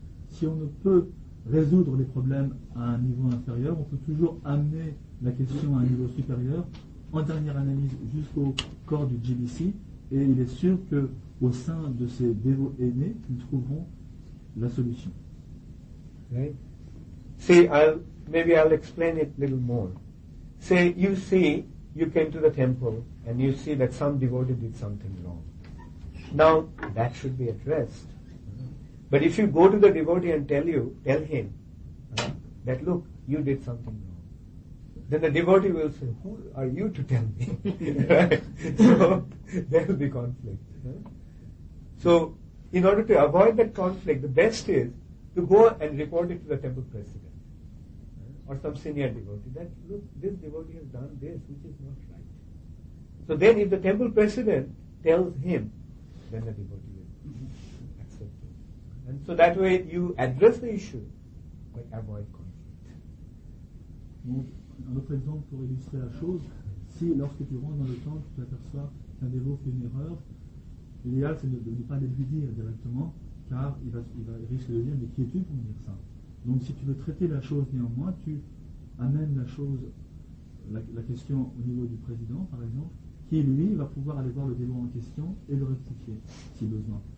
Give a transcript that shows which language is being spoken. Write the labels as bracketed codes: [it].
[fr] Si on ne peut résoudre les problèmes à un niveau inférieur, on peut toujours amener la question à un niveau supérieur, en dernière analyse jusqu'au corps du GBC, et il est sûr que au sein de ces dévots aînés, ils trouveront la solution. [en] Right. See, I'll explain it a little more. Say, you see, you came to the temple and you see that some devotee did something wrong. Now, that should be addressed. But if you go to the devotee and tell him that, look, you did something wrong, then the devotee will say, who are you to tell me? So, there will be conflict. So, in order to avoid that conflict, the best is to go and report it to the temple president or some senior devotee that, look, this devotee has done this which is not right. So then if the temple president tells him, then the devotee will accept it. And so that way you address the issue but avoid conflict. [fr] Un autre exemple pour illustrer la chose, si lorsque tu rentres dans le temple, tu aperçois qu'un dévot fait une erreur, l'idéal c'est de ne pas lui dire directement, car il risque de dire, mais qui es-tu pour me dire ça? Donc si tu veux traiter la chose néanmoins, tu amènes la chose, la question au niveau du président par exemple, qui lui va pouvoir aller voir le dévot en question et le rectifier si besoin.